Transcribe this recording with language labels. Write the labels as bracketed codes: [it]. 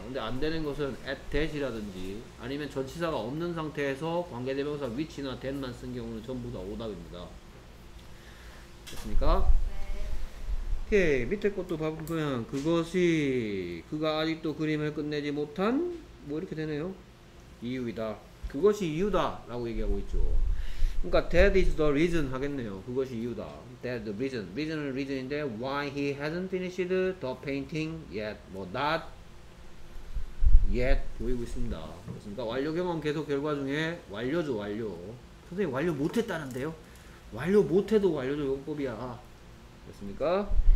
[ko] 근데 안 되는 것은 at that이라든지 아니면 전치사가 없는 상태에서 관계대명사 which나 that만 쓴 경우는 전부 다 오답입니다. 됐습니까? 네. 오케이. 밑에 것도 봐보면 그것이 그가 아직도 그림을 끝내지 못한 뭐 이렇게 되네요. 이유이다. 그것이 이유다 라고 얘기하고 있죠. 그러니까 [en] that is the reason [ko] 하겠네요. 그것이 이유다. [en] That the reason. Reason은 reason인데 why he hasn't finished the painting yet. [ko] 뭐 not yet 보이고 있습니다. 그러니까 완료 경험 계속 결과 중에 완료죠. 완료. 선생님 완료 못했다는데요? 완료 못해도 완료죠. 용법이야. 됐습니까?